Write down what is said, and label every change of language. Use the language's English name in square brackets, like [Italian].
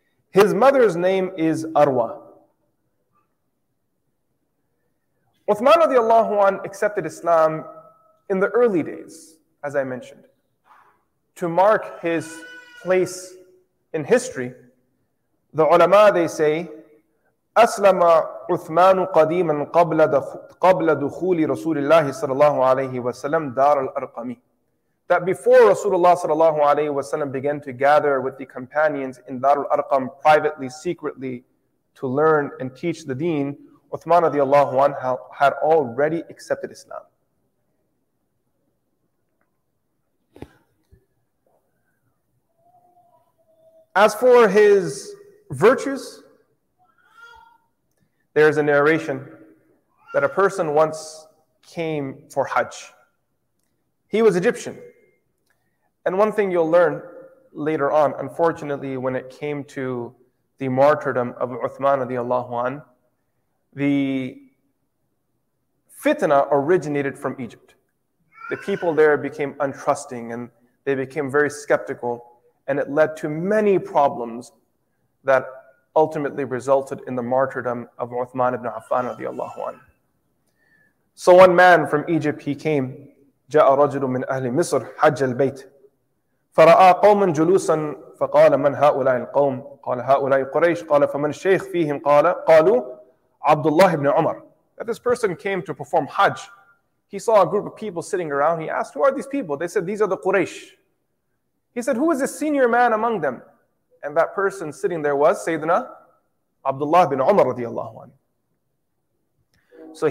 [English] His mother's name is Arwa. Uthman radiallahu anh accepted Islam in the early days, as I mentioned, to mark his place in history. The ulama, they say, [Arabic] أسلم عثمان قديما قبل دخول رسول الله صلى الله عليه وسلم دار الأرقمي. [English] That before Rasulullah sallallahu alayhi wa sallam began to gather with the companions in Darul Arqam privately, secretly, to learn and teach the deen, Uthman radiallahu anhu had already accepted Islam. As for his virtues, there is a narration that a person once came for Hajj. He was Egyptian. And one thing you'll learn later on, unfortunately, when it came to the martyrdom of Uthman radiallahu anhu, the fitna originated from Egypt. The people there became untrusting and they became very skeptical, and it led to many problems that ultimately resulted in the martyrdom of Uthman ibn Affan radiallahu anhu. So one man from Egypt, he came, [Arabic] جَاءَ رَجُلٌ مِنْ أَهْلِ مِصْرِ حَجَّ الْبَيْتِ فَرَآ قَوْمًا جُلُوسًا فَقَالَ مَنْ هَؤُلَاءِ الْقَوْمِ قَالَ هَؤُلَاءِ قُرَيْشِ قَالَ فَمَنْ الشَّيْخ فِيهِمْ قَالُوا عَبْدُ اللَّهِ بْنِ عُمَرِ. [English] That this person came to perform Hajj. He saw a group of people sitting around. He asked, who are these people? They said, these are the Quraysh. He said, who is the senior man among them? And that person sitting there was Sayyidina Abdullah bin Umar radiallahu anhu.